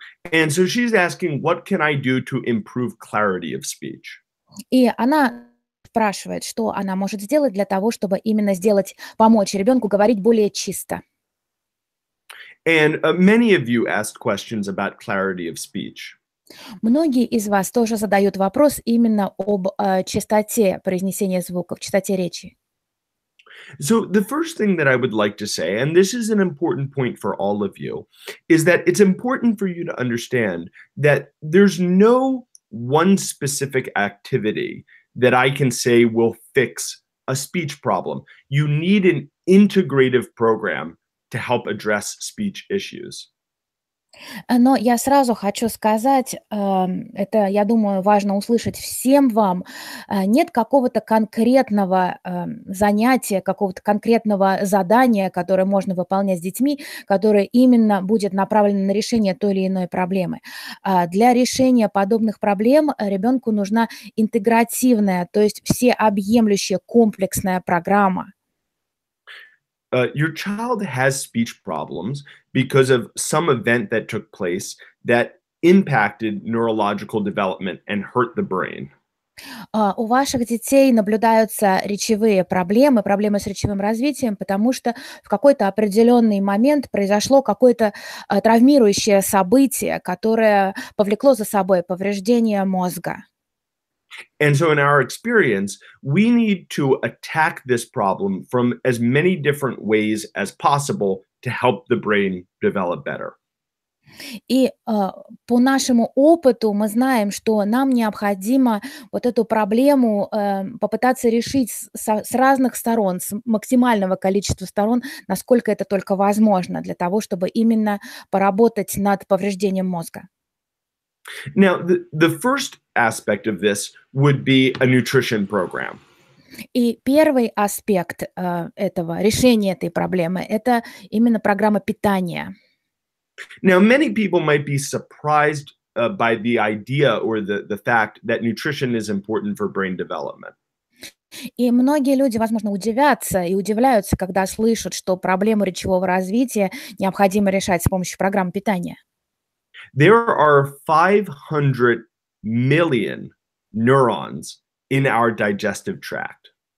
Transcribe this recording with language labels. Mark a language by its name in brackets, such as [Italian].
[English] And so she's asking, what can I do to improve clarity of speech? [Russian] И она спрашивает, что она может сделать для того, чтобы именно сделать, помочь ребенку говорить более чисто. [English] And many of you asked questions about clarity of speech. [Russian] Многие из вас тоже задают вопрос именно об частоте произнесения звуков, частоте речи. [English] So the first thing that I would like to say, and this is an important point for all of you, is that it's important for you to understand that there's no one specific activity that I can say will fix a speech problem. You need an integrative program to help address speech issues. [Russian] Но я сразу хочу сказать, это, я думаю, важно услышать всем вам, нет какого-то конкретного занятия, какого-то конкретного задания, которое можно выполнять с детьми, которое именно будет направлено на решение той или иной проблемы. Для решения подобных проблем ребенку нужна интегративная, то есть всеобъемлющая комплексная программа. [English] Your child has speech problems because of some event that took place that impacted neurological development and hurt the brain. [Russian] У ваших детей наблюдаются речевые проблемы, проблемы с речевым развитием, потому что в какой-то определенный момент произошло какое-то травмирующее событие, которое повлекло за собой повреждение мозга. [English] And so in our experience, we need to attack this problem from as many different ways as possible to help the brain develop better. [Russian] И по нашему опыту мы знаем, что нам необходимо вот эту проблему попытаться решить с разных сторон, с максимального количества сторон, насколько это только возможно, для того, чтобы именно поработать над повреждением мозга. [English] Now, the first aspect of this would be a nutrition program. [Russian] И первый аспект этого решения этой проблемы – это именно программа питания. [English] Now, many people might be surprised by the idea or the fact that nutrition is important for brain development. [Russian] И многие люди, возможно, удивятся и удивляются, когда слышат, что проблему речевого развития необходимо решать с помощью программы питания. [English] There are 500 million neurons in our digestive tract.